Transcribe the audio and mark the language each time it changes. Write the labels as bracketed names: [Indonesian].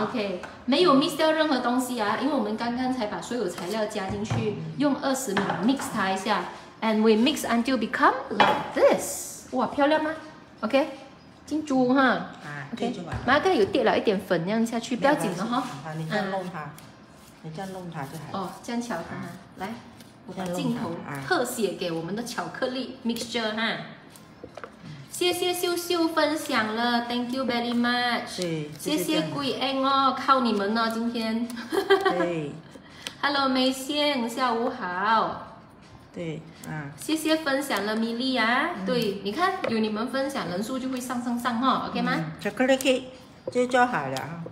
[Chinese] ，OK， 没有 miss 掉任何东西啊，因为我们刚刚才把所有材料加进去，用20秒 mix 它一下 ， [English] and we mix until become like this， [Chinese] 哇，漂亮吗 ？OK。金珠哈、啊、，OK， 马盖有滴了一点粉，这样下去不要紧了哈。你这样弄它、啊，你这样弄它就好。哦，这样巧它、啊，来，我把镜头特写给我们的巧克力 mixture 哈。谢谢秀秀分享了 ， [English] Thank you very much。 [Chinese] 对，谢谢鬼恩哦，靠你们了今天。对。 Hello， 梅仙，下午好。对、啊、谢谢分享了米莉啊、嗯、对你看有你们分享人数就会上上上、哦、OK 吗、嗯、巧克力 cake 就做好了、